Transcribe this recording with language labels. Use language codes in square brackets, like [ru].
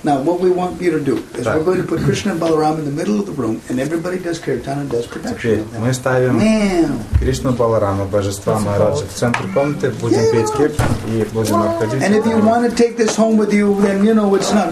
[en] Now, what we want you to do is we're going to put Krishna and Balaram in the middle of the room, and everybody does kirtan and does production. [ru] Мы ставим Кришну Баларама, Божества Махараджа, в центр комнаты, будем петь киртан и будем обходить. [en] And if you want to take this home with you, then you know it's not.